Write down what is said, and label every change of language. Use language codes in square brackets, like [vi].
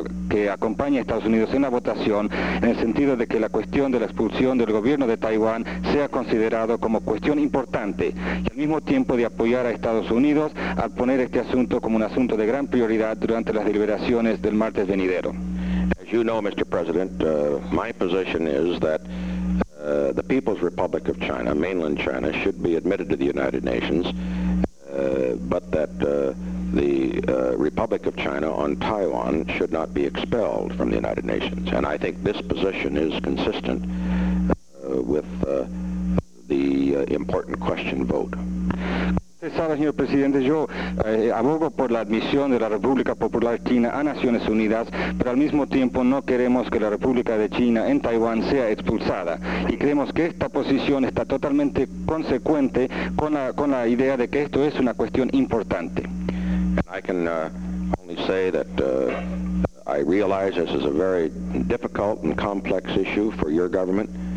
[es] que acompaña a Estados Unidos en la votación, en el sentido de que la cuestión de la expulsión del gobierno de Taiwán sea considerado como cuestión importante, y al mismo tiempo de apoyar a Estados Unidos al poner este asunto como un asunto de gran prioridad durante las deliberaciones del martes venidero. [en] As you know, Mr. President, my position is that the People's Republic of China, mainland China, should be admitted to the United Nations, but that the Republic of China on Taiwan should not be expelled from the United Nations. And I think this position is consistent with the important question vote. [es] Usted sabe, señor presidente, yo abogo por la admisión de la República Popular China a Naciones Unidas, pero al mismo tiempo no queremos que la República de China en Taiwán sea expulsada. Y creemos que esta posición está totalmente consecuente con la idea de que esto es una cuestión importante. [en] And I can only say that I realize this is a very difficult and complex issue for your government.